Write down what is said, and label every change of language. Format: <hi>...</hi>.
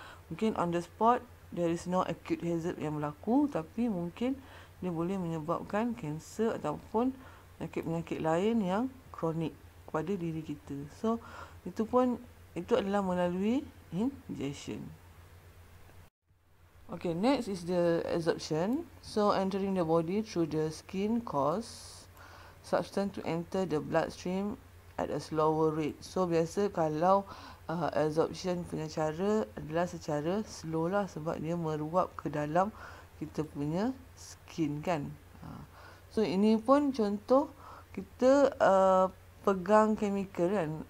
<ms>Mungkin</ms> <en>on the spot there is no acute hazard</en> <ms>yang berlaku, tapi mungkin dia boleh menyebabkan kanser ataupun penyakit-penyakit lain yang kronik kepada diri kita. So itu pun Itu adalah melalui ingestion.</ms> <en>Okay, next is the absorption. So, entering the body through the skin causes substance to enter the bloodstream at a slower rate.</en> <ms>So, biasa kalau absorption punya cara adalah secara slow lah sebab dia meruap ke dalam kita punya skin kan. So, ini pun contoh kita pegang chemical kan.</ms>